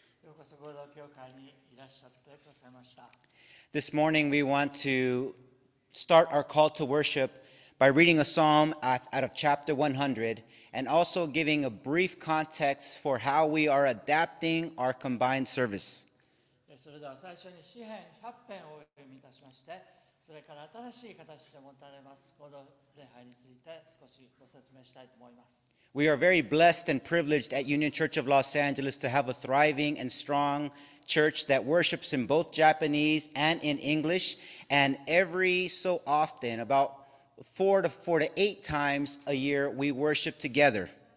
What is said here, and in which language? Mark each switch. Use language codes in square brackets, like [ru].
[ja] ようこそ合同教会にいらっしゃってくださいました。 [en] This morning we want to start our call to worship by reading a psalm out of chapter 100 and also giving a brief context for how we are adapting our combined service. [ja] それでは最初に詩篇100編をお読みいたしまして、それから新しい形で持たれます合同礼拝について少しご説明したいと思います。 [en] We are very blessed and privileged at Union Church of Los Angeles to have a thriving and strong church that worships in both Japanese and in English. And every so often, about four to eight times a year, we worship together.